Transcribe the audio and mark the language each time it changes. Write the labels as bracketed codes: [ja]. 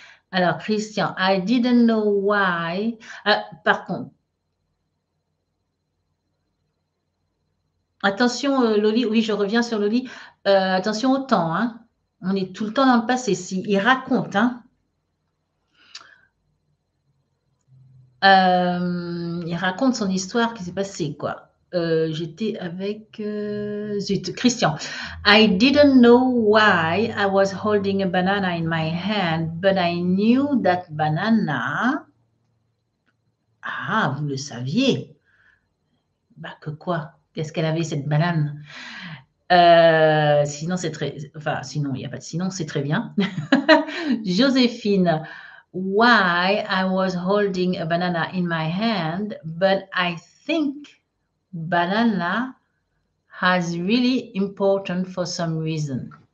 [fr] Alors, Christian, [en] I didn't know why. [fr] Par contre, attention, Loli, oui, je reviens sur Loli. Attention au temps, hein. On est tout le temps dans le passé. Si, il raconte, hein. Il raconte son histoire qui s'est passée, quoi. J'étais avec zut, Christian. [en] I didn't know why I was holding a banana in my hand, but I knew that banana. [fr] Ah, vous le saviez. Bah, que quoi? Qu'est-ce qu'elle avait cette banane? Sinon, c'est très. Enfin, sinon, il n'y a pas de sinon, c'est très bien. Joséphine. [en] Why I was holding a banana in my hand, but I think banana has really important for some reason.